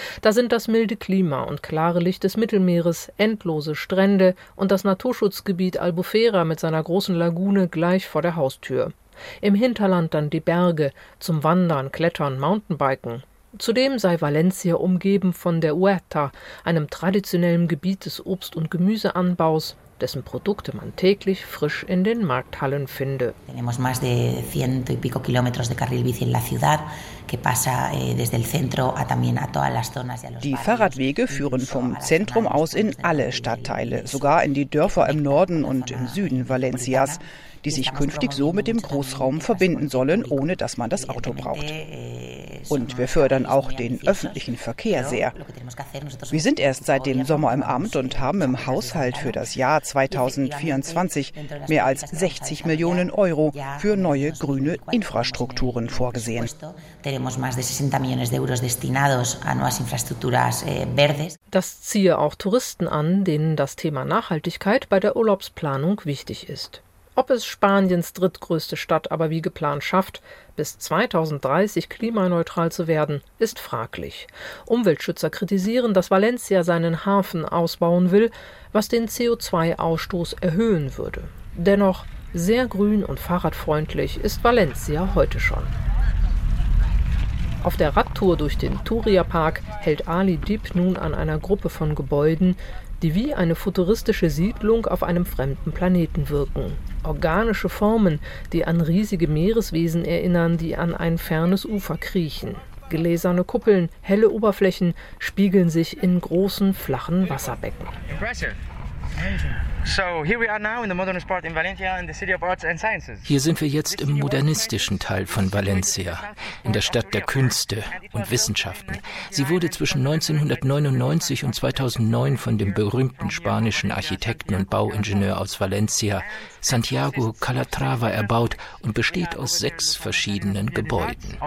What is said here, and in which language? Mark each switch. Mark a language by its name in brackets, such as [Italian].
[German] Da sind das milde Klima und klare Licht des Mittelmeeres, endlose Strände und das Naturschutzgebiet Albufera mit seiner großen Lagune gleich vor der Haustür. Im Hinterland dann die Berge, zum Wandern, Klettern, Mountainbiken. Zudem sei Valencia umgeben von der Huerta, einem traditionellen Gebiet des Obst- und Gemüseanbaus, dessen Produkte man täglich frisch in den Markthallen finde. [Spanish] Tenemos más de ciento y pico kilómetros de carril bici en la ciudad. [German] Die Fahrradwege führen vom Zentrum aus in alle Stadtteile, sogar in die Dörfer im Norden und im Süden Valencias, die sich künftig so mit dem Großraum verbinden sollen, ohne dass man das Auto braucht. Und wir fördern auch den öffentlichen Verkehr sehr. Wir sind erst seit dem Sommer im Amt und haben im Haushalt für das Jahr 2024 mehr als 60 Millionen Euro für neue grüne Infrastrukturen vorgesehen. [Spanish] Tenemos más de 60 millones de euros destinados a nuevas infraestructuras verdes. [German] Das ziehe auch Touristen an, denen das Thema Nachhaltigkeit bei der Urlaubsplanung wichtig ist. Ob es Spaniens drittgrößte Stadt aber wie geplant schafft, bis 2030 klimaneutral zu werden, ist fraglich. Umweltschützer kritisieren, dass Valencia seinen Hafen ausbauen will, was den CO2-Ausstoß erhöhen würde. Dennoch, sehr grün und fahrradfreundlich ist Valencia heute schon. Auf der Radtour durch den Turia-Park hält Ali Dib nun an einer Gruppe von Gebäuden, die wie eine futuristische Siedlung auf einem fremden Planeten wirken. Organische Formen, die an riesige Meereswesen erinnern, die an ein fernes Ufer kriechen. Gläserne Kuppeln, helle Oberflächen spiegeln sich in großen, flachen Wasserbecken. [English] Impressive. So, here we are now in the modernist part in Valencia, in the city of arts and sciences. [German] Hier sind wir jetzt im modernistischen Teil von Valencia, in der Stadt der Künste und Wissenschaften. Sie wurde zwischen 1999 und 2009 von dem berühmten spanischen Architekten und Bauingenieur aus Valencia, Santiago Calatrava, erbaut und besteht aus 6 verschiedenen Gebäuden.